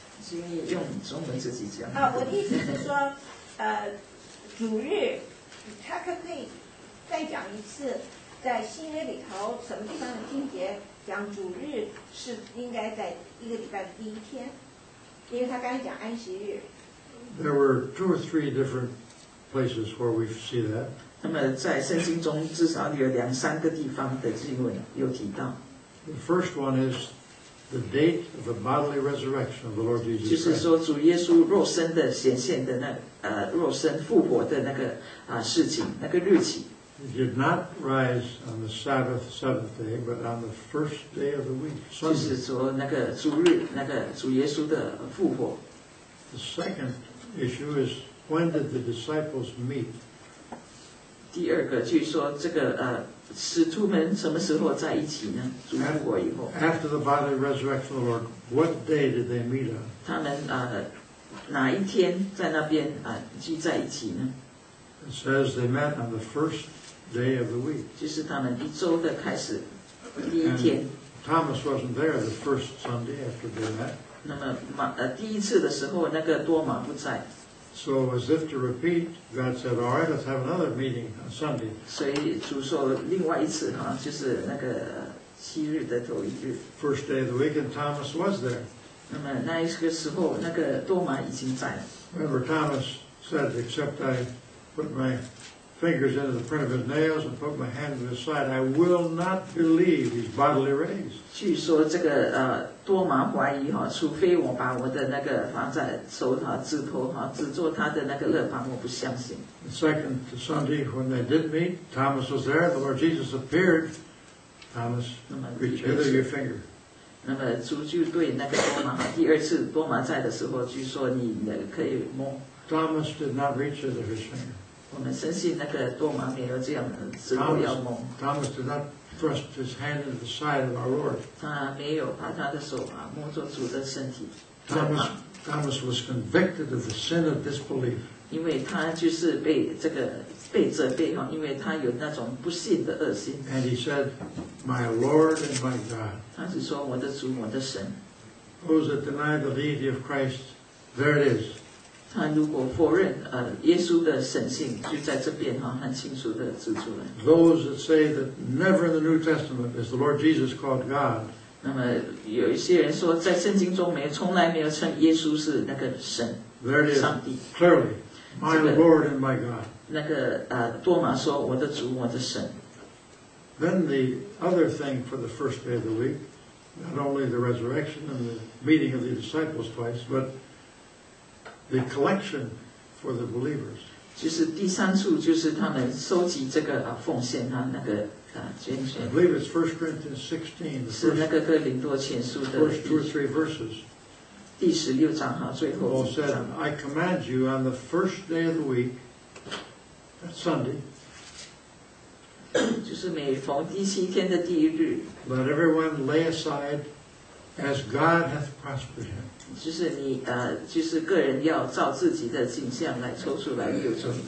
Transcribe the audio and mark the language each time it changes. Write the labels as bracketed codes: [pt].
[en] There were two or three different places where we see that. [zh] 那么在圣经中至少有两三个地方的经文有提到。 [en] The first one is the date of the bodily resurrection of the Lord Jesus Christ. [zh] 就是说主耶稣肉身的显现的肉身复活的那个事情，那个日期。 [en] He did not rise on the Sabbath, seventh day, but on the first day of the week, Sunday. [zh] 就是说那个主日，那个主耶稣的复活。 [en] The second issue is when did the disciples meet? [zh] 第二个，据说这个使徒们什么时候在一起呢？主复活以后。 [en] After the bodily resurrection of the Lord, what day did they meet on? [zh] 他们哪一天在那边聚在一起呢 [en] ？It says they met on the first day of the week. [zh] 就是他们一周的开始，第一天。 [en] And、Thomas wasn't there the first Sunday after they met. [zh] 那么第一次的时候，那个多马不在。 [en] So as if to repeat, God said, "All right, let's have another meeting on Sunday." [zh] 所以主说另外一次哈，就是那个七日的头一日。 [en] First day of the week, and Thomas was there. [zh] 那么那一个时候，那个多马已经在了。 [en] Remember, Thomas says, except I put my fingers into the print of his nails and put my hand in his side, I will not believe he's bodily raised. [zh] 据说这个多麻怀疑哈，除非我把我的那个放在手哈、指头哈、指做他的那个肋旁，我不相信。 [en] The second Sunday when they did meet, Thomas was there. The Lord Jesus appeared. Thomas, reach hither your finger. [zh] 那么主就对那个多麻第二次多麻在的时候，据说你可以摸。 [en] Thomas did not reach hither his finger. [zh] 我们深信那个多麻没有这样的指头要摸。 [en] Thomas did not thrust his hand into the side of our Lord. [zh] 他没有把他的手啊摸着主的身体。 [en] Thomas was convicted of the sin of disbelief. [zh] 因为他就是被这个被责备哈，因为他有那种不信的恶心。 [en] And he said, "My Lord and my God." [zh] 他是说我的主，我的神。 [en] Those that deny the deity of Christ, there it is. [zh] 他如果否认耶稣的神性，就在这边哈，很清楚的指出来。 [en] Those that say that never in the New Testament is the Lord Jesus called God. [zh] 那么有一些人说，在圣经中没有，从来没有称耶稣是那个神。 [en] There it is. [zh] 上帝。 [en] Clearly, my Lord and my God. [zh] 那个多马说，我的主，我的神。 [en] Then the other thing for the first day of the week, not only the resurrection and the meeting of the disciples twice, but the collection for the believers. [zh] 就是第三处，就是他们收集这个奉献啊，那个捐献。 [en] I believe it's 1 Corinthians 16. [zh] 是那个哥林多前书的。 [en] First two or three verses. [zh] 第十六章哈，最后。 [en] Paul said, "I command you on the first day of the week." That's Sunday. [zh] 就是每逢第七天的第一日。 [en] Let everyone lay aside as God hath prospered him. [zh] 就是你就是个人要照自己的景象来抽出来留存。